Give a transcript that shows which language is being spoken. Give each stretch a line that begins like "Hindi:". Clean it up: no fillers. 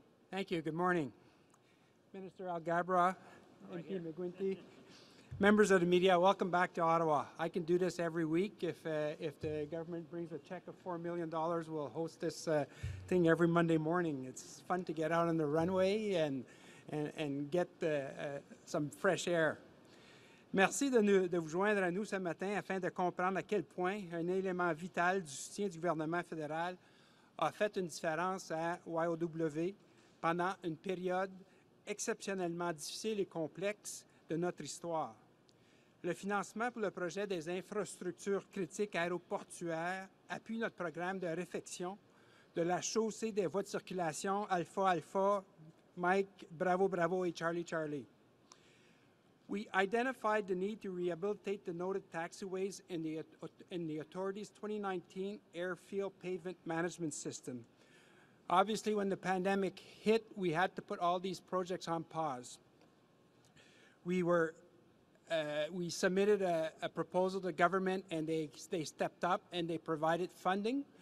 English: Thank you, good morning. Minister Alghabra, MP McGuinty, members of the media, welcome back to Ottawa. I can do this every week. If the government brings a check of $4 million, we'll host this thing every Monday morning. It's fun to get out on the runway and get some fresh air.
French: Merci de vous joindre à nous ce matin afin de comprendre à quel point un élément vital du soutien du gouvernement fédéral a fait une différence à YOW pendant une période exceptionnellement difficile et complexe de notre histoire. Le financement pour le projet des infrastructures critiques aéroportuaires appuie notre programme de réfection de la chaussée des voies de circulation Alpha Alpha, Mike Bravo Bravo et Charlie Charlie.
English: We identified the need to rehabilitate the noted taxiways in the authority's 2019 airfield pavement management system. Obviously, when the pandemic hit, we had to put all these projects on pause. We submitted a proposal to government, and they stepped up and they provided funding.